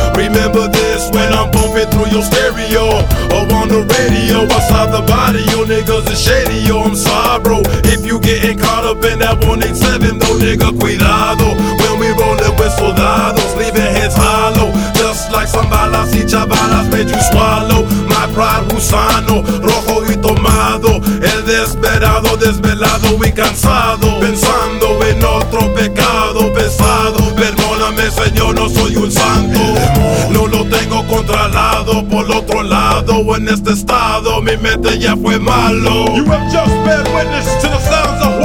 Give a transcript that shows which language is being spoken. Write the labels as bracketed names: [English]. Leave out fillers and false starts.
[English] Remember this when I'm bumping through your stereo. Or on the radio, outside the body, your niggas is shady, yo. I'm sorry, bro. If you getting caught up in that 187, though, nigga, cuidado. When we rolling with soldados, leaving heads hollow. Like some [Spanish] balas y chavalas [English] made you swallow. My pride [Spanish] gusano, rojo y tomado. El desesperado, desvelado y cansado. Pensando en otro pecado pesado. Perdóname señor, no soy un santo. No lo tengo controlado. Por el otro lado, en este estado, mi mente ya fue malo. [English] You have just been witness to the sounds.